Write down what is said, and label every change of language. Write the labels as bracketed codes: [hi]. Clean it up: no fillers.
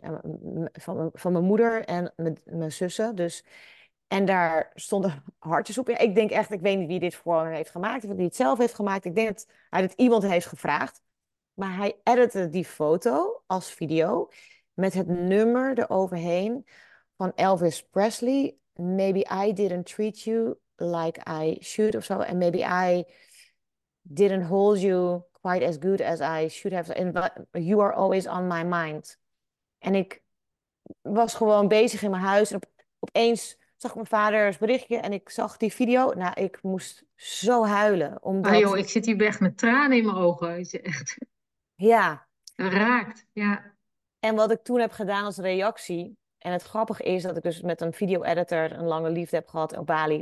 [nl] En van mijn moeder en mijn zussen, dus. En daar stonden hartjes op. Ja, ik denk echt, ik weet niet wie dit voor hem heeft gemaakt. Of wie het zelf heeft gemaakt. Ik denk dat hij het iemand heeft gevraagd. Maar hij editte die foto als video. Met het nummer eroverheen. Van Elvis Presley. [en] Maybe I didn't treat you like I should. [nl] Of zo. [en] And maybe I didn't hold you quite as good as I should have. And you are always on my mind. [nl] En ik was gewoon bezig in mijn huis. En opeens zag ik mijn vaders berichtje en ik zag die video. Nou, ik moest zo huilen, Ah, omdat, joh, ik zit hier echt met tranen in mijn ogen. Is je echt ja. Raakt, ja. En wat ik toen heb gedaan als reactie, en het grappige is dat ik dus met een video-editor een lange liefde heb gehad op Bali.